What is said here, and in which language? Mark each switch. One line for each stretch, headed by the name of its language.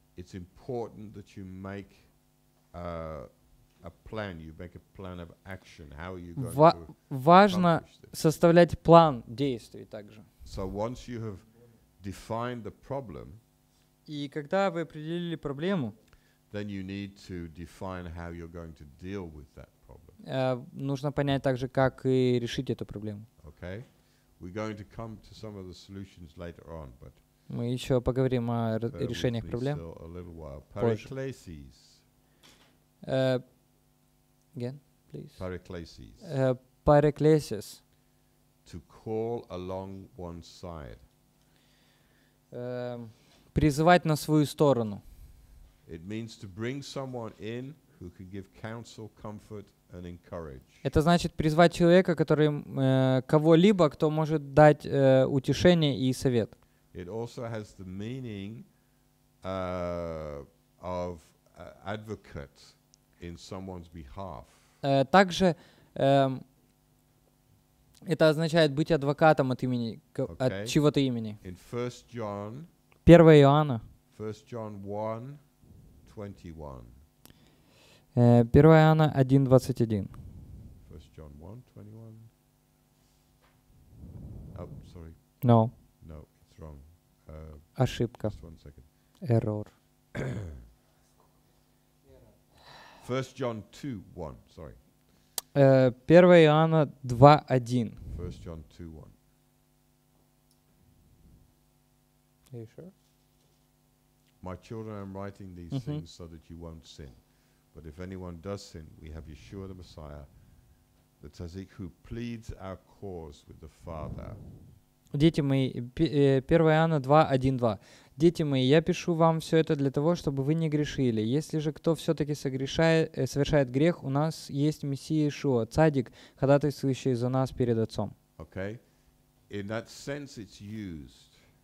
English: It's important that you make a plan. You make a plan of action. How are you going to accomplish this?
Russian: Важно составлять план действий также.
English: So once you have defined the problem,
Russian: и когда вы определили проблему,
English: then you need to define how you're going to deal with that problem.
Russian: Нужно понять также, как и решить эту проблему.
English: Okay, we're going to come to some of the solutions later on, but
Russian: мы еще поговорим о решениях проблем.
English: Paracelsus. Again, please. Paracelsus. Paracelsus. To call along one side.
Russian: Призывать на свою сторону.
English: It means to bring someone in who can give counsel, comfort, and encourage.
Russian: Это значит призвать человека, который кого-либо, кто может дать утешение и совет.
English: It also has the meaning of advocate in someone's behalf.
Russian: Также это означает быть адвокатом от имени от чьего-то имени.
English: In 1 John.
Russian: 1 Иоанна.
English: 1 John 1:21.
Russian: 1 Иоанна 1:21.
English: 1 John 1:21. Oh, sorry. No. No, it's wrong.
Russian: Ошибка.
English: Just one second. Error. 1 John 2:1, sorry.
Russian: 1 Иоанна 2:1.
English: 1 John 2:1. Are you sure? My children, I'm writing these mm-hmm. things so that you won't sin. But if anyone does sin, we have Yeshua the Messiah, the Tzadik, who pleads our cause with the Father.
Russian: Дети мои, 1 Иоанна 2:1-2. Дети мои, я пишу вам все это для того, чтобы вы не грешили. Если же кто все-таки совершает грех, у нас есть Мессия Иешуа, цадик, ходатайствующий за нас перед Отцом.
English: Okay. In that sense it's used.